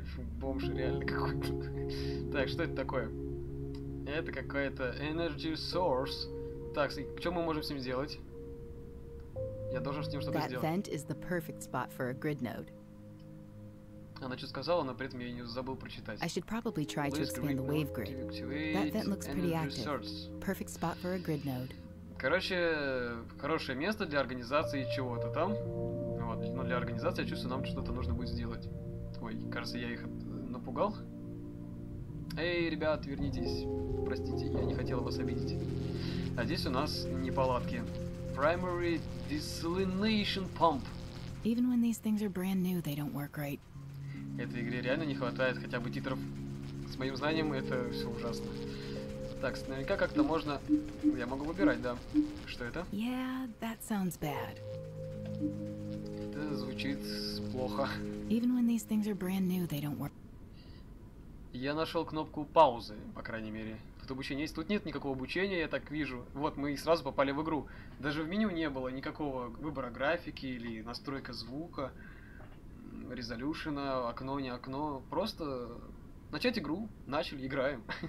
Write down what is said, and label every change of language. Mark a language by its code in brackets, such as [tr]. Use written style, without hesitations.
[ru] Фу, бомж реально какой-то. Так, что это такое? Это какая-то [en] energy source. [ru] Так, что мы можем с ним сделать? Я должен с ним что-то сделать. Она что сказала, но при этом я не забыл прочитать. [en] I should probably try to expand the wave grid. That vent looks pretty active. Perfect spot for a grid node. [ru] Короче, хорошее место для организации чего-то там. Вот. Но для организации, я чувствую, нам что-то нужно будет сделать. Ой, кажется, я их напугал. Эй, ребят, вернитесь. Простите, я не хотел вас обидеть. А здесь у нас неполадки. [en] Primary desalination pump. Even when these things are brand new, they don't work right. [ru] Этой игре реально не хватает хотя бы титров. С моим знанием это все ужасно. Так, наверняка как-то можно... Я могу выбирать, да. Что это? [en] Yeah, that sounds bad. [ru] Это звучит плохо. [en] Even when these things are brand new, they don't work. [ru] Я нашел кнопку паузы, по крайней мере. Тут обучение есть? Тут нет никакого обучения, я так вижу. Вот, мы и сразу попали в игру. Даже в меню не было никакого выбора графики или настройка звука. Резолюшена, окно, не окно. Просто начать игру. Начали, играем.